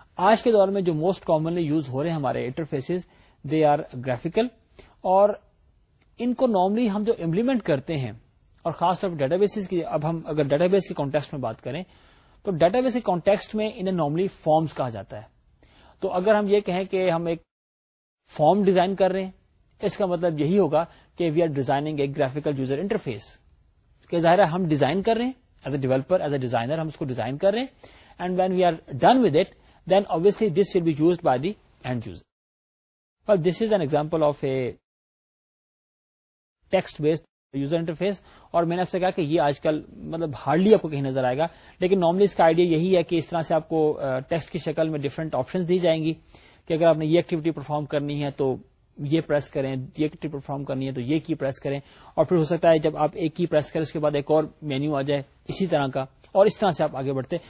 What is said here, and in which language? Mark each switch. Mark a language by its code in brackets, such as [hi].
[ur] آج کے دور میں جو موسٹ کامنلی یوز ہو رہے ہیں ہمارے انٹرفیسز [en] they are graphical, [ur] اور ان کو نارملی ہم جو امپلیمنٹ کرتے ہیں, اور خاص طور پر ڈیٹا بیسز کی, اب ہم اگر ڈیٹا بیس کے کانٹیکسٹ میں بات کریں تو ڈیٹا بیس کے کانٹیکسٹ میں انہیں نارملی فارمز کہا جاتا ہے. تو اگر ہم یہ کہیں کہ ہم ایک فارم ڈیزائن کر رہے ہیں, اس کا مطلب یہی ہوگا کہ [en] we are designing a graphical user interface, [ur] کہ ظاہر ہے ہم ڈیزائن کر رہے ہیں as a developer, as a designer ہم اس کو ڈیزائن کر رہے ہیں. [en] And when we are done with it then obviously this will be used by the end user. Well this is an example of a text based user interface, [ur] اور میں نے آپ سے کہا کہ یہ آج کل مطلب ہارڈلی آپ کو کہیں نظر آئے گا, لیکن نارملی اس کا آئیڈیا یہی ہے کہ اس طرح سے آپ کو ٹیکسٹ کی شکل میں ڈفرنٹ آپشنس دی جائیں گی کہ اگر آپ نے یہ ایکٹیویٹی پرفارم کرنی ہے تو یہ پریس کریں, یہ ایکٹیویٹی پرفارم کرنی ہے تو یہ کی پریس کریں, اور پھر ہو سکتا ہے جب آپ ایک کی پریس کریں اس کے بعد ایک اور مینیو آ جائے اسی طرح کا, اور اس طرح سے آپ آگے بڑھتے.